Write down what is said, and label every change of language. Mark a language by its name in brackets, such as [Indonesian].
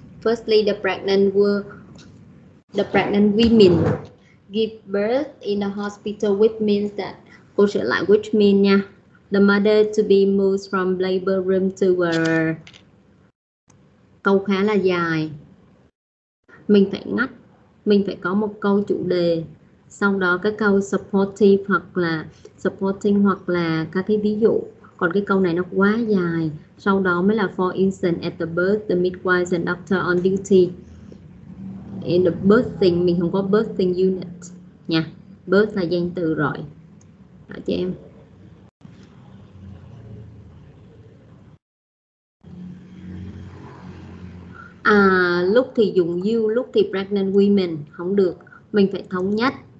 [English] Firstly, the pregnant women give birth in a hospital, which means that, [Vietnamese] cô sửa lại [English] which mean [Vietnamese] nha, [English] the mother to be moved from labor room to a, [Vietnamese] câu khá là dài, mình phải ngắt, mình phải có một câu chủ đề. Sau đó các câu supportive hoặc là supporting hoặc là các cái ví dụ. Còn cái câu này nó quá dài. [English] Sau đó mới là for instance at the birth, the midwives and doctor on duty in the birthing. [Vietnamese] Mình không có birthing unit nha. Birth là danh từ rồi. Đó cho em. À, Lúc thì dùng you, lúc thì pregnant women, không được, mình phải thống nhất.